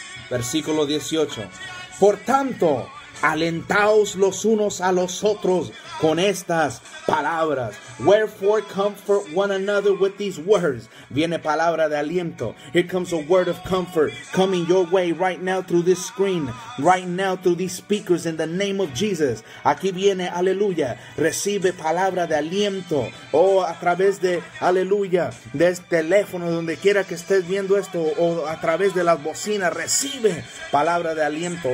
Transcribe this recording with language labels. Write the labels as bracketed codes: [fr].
[es] versículo 18. Por tanto, alentaos los unos a los otros con estas palabras. [en] Wherefore, comfort one another with these words. [es] Viene palabra de aliento. [en] Here comes a word of comfort coming your way right now through this screen. Right now through these speakers in the name of Jesus. [es] Aquí viene, aleluya. Recibe palabra de aliento. A través de, aleluya, de este teléfono, donde quiera que estés viendo esto, o a través de las bocinas, recibe palabra de aliento.